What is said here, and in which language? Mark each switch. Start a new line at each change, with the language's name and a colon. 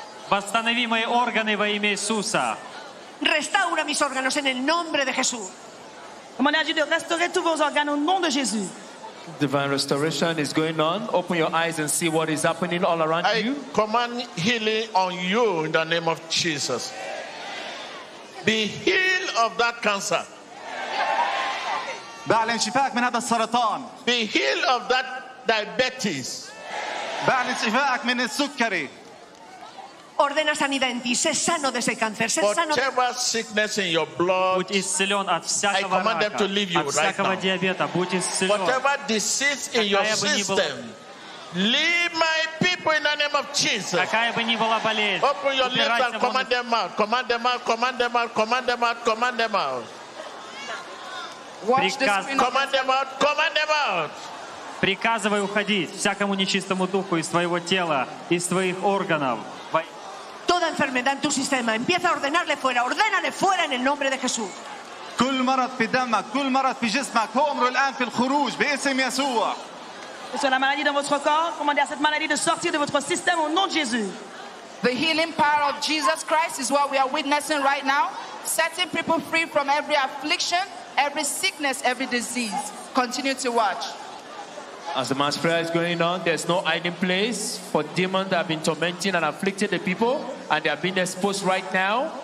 Russian: Восстанови мои органы во имя Иисуса.
Spanish: Restaura mis órganos en el nombre de Jesús.
French: Comme on a dit de restaurer tous vos organes au nom de Jésus.
English: Divine restoration is going on. Open your eyes and see what is happening all around I you. I command healing on you in the name of Jesus. Be healed of that cancer.
Arabic: بعلن شفاءك من هذا السرطان.
English: Be healed of that diabetes.
Arabic: بعلن شفاءك من السكري.
Spanish: Ordena sanidad en ti. Sé sano de ese cáncer. Sé sano.
English: Whatever sickness in your blood, I command them to leave you right now.
Russian: Диабета,
English: whatever disease in your system, leave my people in the name of Jesus.
Russian: Болезнь,
English: open your lips and command them out. Command them out. Command them out. Command them out. Command them out. Watch this. Command them out. Command them out.
Russian: Приказывай уходить всякому нечистому духу из твоего тела, из твоих органов.
Spanish: Toda enfermedad en tu sistema empieza a ordenarle fuera. Ordénale fuera en el nombre de Jesús.
Arabic: كل مرض في دمك, كل مرض في جسمك, أمره الآن في الخروج باسم يسوع.
French: Sur la maladie dans votre corps, commandez à cette maladie de sortir de votre système au nom de Jésus.
English: The healing power of Jesus Christ is what we are witnessing right now, setting people free from every affliction, every sickness, every disease. Continue to watch. As the mass prayer is going on, there's no hiding place for demons that have been tormenting and afflicting the people, and they are being exposed right now.